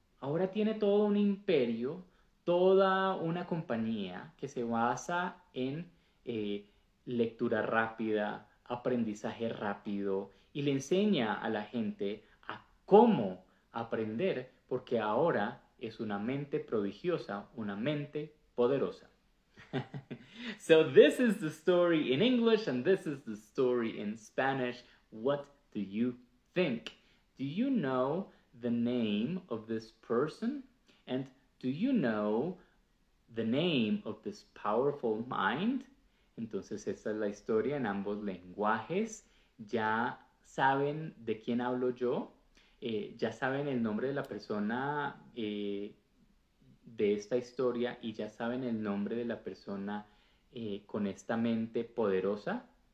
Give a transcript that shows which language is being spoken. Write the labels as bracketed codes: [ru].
[es] Ahora tiene todo un imperio, toda una compañía que se basa en lectura rápida, aprendizaje rápido y le enseña a la gente cómo aprender, porque ahora es una mente prodigiosa, una mente poderosa. [en] So this is the story in English and this is the story in Spanish. What do you think? Do you know the name of this person? And do you know the name of this powerful mind? [es] Entonces, esta es la historia en ambos lenguajes. ¿Ya saben de quién hablo yo? Ya saben el nombre de la persona de esta historia y ya saben el nombre de la persona con esta mente poderosa.